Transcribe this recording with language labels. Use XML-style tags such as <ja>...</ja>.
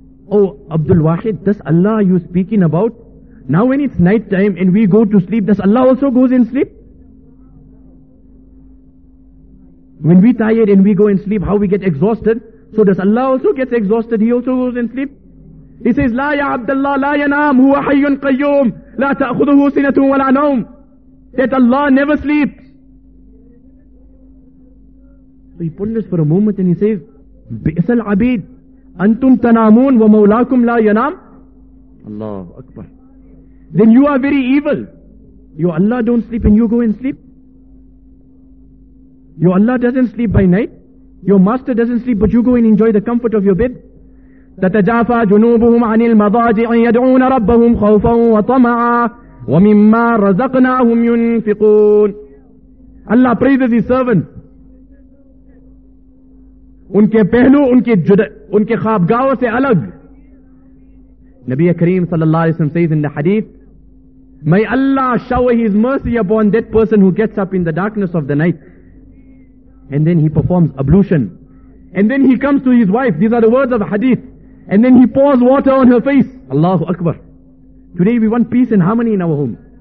<en>Oh, Abdul Wahid, this Allah you speaking about, now when it's night time and we go to sleep, does Allah also goes in sleep? When we tired and we go in sleep, how we get exhausted? So does Allah also gets exhausted? He also goes in sleep? He says,</en> <ar>لا يا عبد الله لا ينام هو حي قيوم لا تأخذه سنة ولا نوم.</ar> <en>That Allah never sleeps. So he ponders for a moment and he says,</en> <ar>بئس العبيد أنتم تنامون ومولاكم لا ينام.</ar> <en>Allah Akbar. Then you are very evil. Your Allah don't sleep and you go and sleep. Your Allah doesn't sleep by night. Your master doesn't sleep but you go and enjoy the comfort of your bed.</en> <ar>تتجافى جنوبهم عن المضاجع يدعون ربهم خوفا وطمعا وَمِمَّا رَزَقْنَاهُمْ يُنْفِقُونَ.</ar> <en>Allah praise the servant,</en> <ur>ان کے پہلو ان کے خوابگاہوں سے الگ.</ur> <en>نبی کریم صلی اللہ علیہ وسلم says in the حدیث, may Allah shower his mercy upon that person who gets up in the darkness of the night and then he performs ablution and then he comes to his wife. These are the words of the hadith. And then he pours water on her face. Allahu Akbar. Today we want peace and harmony in our home.</en>